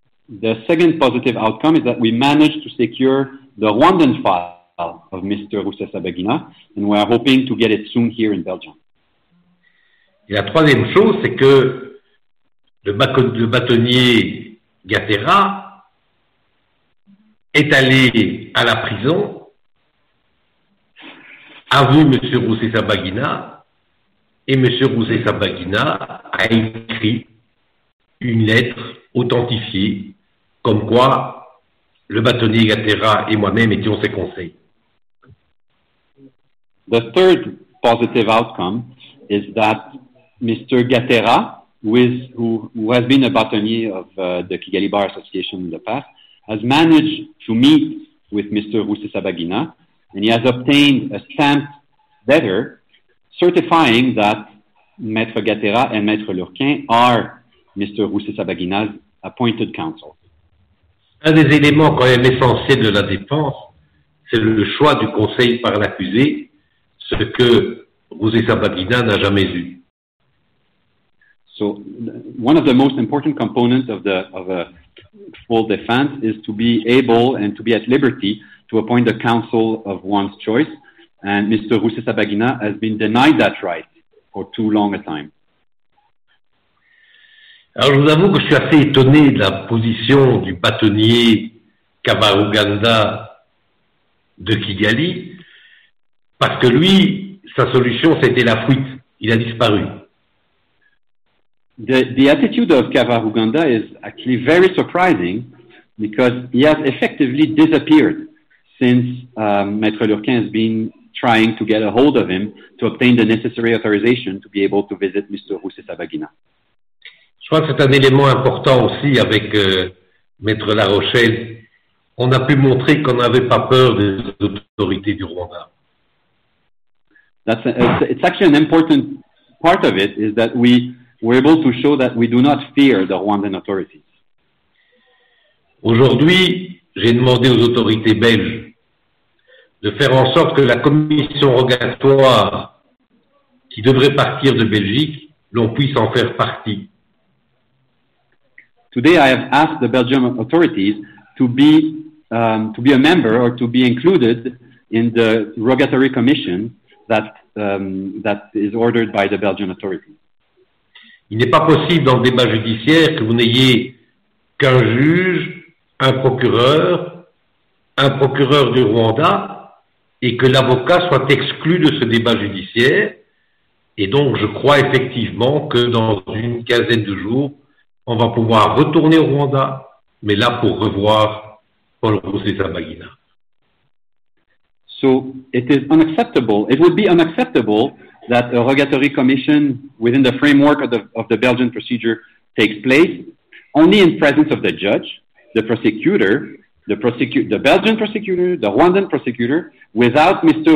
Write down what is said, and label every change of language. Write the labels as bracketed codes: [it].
[en] The second positive outcome is that we managed to secure the Rwandan file of Mr. Rusesabagina, and we are hoping to get it soon here in Belgium. [fr] Et la troisième chose, c'est que le bâtonnier Gatera est allé à la prison, a vu M. Rusesabagina, et M. Rusesabagina a écrit une lettre authentifiée comme quoi le bâtonnier Gatera et moi-même étions ses conseils. [en] The third positive outcome is that Mr. Gatera, who has been a bâtonnier of the Kigali Bar Association in the past, has managed to meet with Mr. Rusesabagina, and he has obtained a stamped letter certifying that Maître Gatera and Maître Lurquin are Mr. Rusesabagina's appointed counsel. [fr] Un des éléments quand même essentiels de la défense, c'est le choix du conseil par l'accusé, ce que Rusesabagina n'a jamais eu. [en] So, one of the most important components of a full defense is to be able and to be at liberty to appoint a counsel of one's choice, and Mr. Rusesabagina has been denied that right for too long a time. [fr] Alors, je vous avoue que je suis assez étonné de la position du bâtonnier Kavaruganda de Kigali, parce que lui, sa solution, c'était la fuite. Il a disparu. [en] The attitude of Kavaruganda is actually very surprising, because he has effectively disappeared since Maître Lurquin has been trying to get a hold of him to obtain the necessary authorization to be able to visit Mr. Rusesabagina. [fr] Je crois que c'est un élément important aussi avec Maître La Rochelle. On a pu montrer qu'on n'avait pas peur des autorités du Rwanda. [en] It's actually an important part of it is that we were able to show that we do not fear the Rwandan authorities. [fr] Aujourd'hui, j'ai demandé aux autorités belges de faire en sorte que la commission rogatoire qui devrait partir de Belgique, l'on puisse en faire partie. [en] Today I have asked the Belgian authorities to be a member or to be included in the rogatory commission that is ordered by the Belgian authorities. [fr] Il n'est pas possible dans le débat judiciaire que vous n'ayez qu'un juge, un procureur du Rwanda et que l'avocat soit exclu de ce débat judiciaire. Et donc je crois effectivement que dans une quinzaine de jours, on va pouvoir retourner au Rwanda, mais là pour revoir Paul Rusesabagina. [en] So, it would be unacceptable that a rogatory commission within the framework of the Belgian procedure takes place only in presence of the judge, the prosecutor, the Belgian prosecutor, the Rwandan prosecutor, without Mr.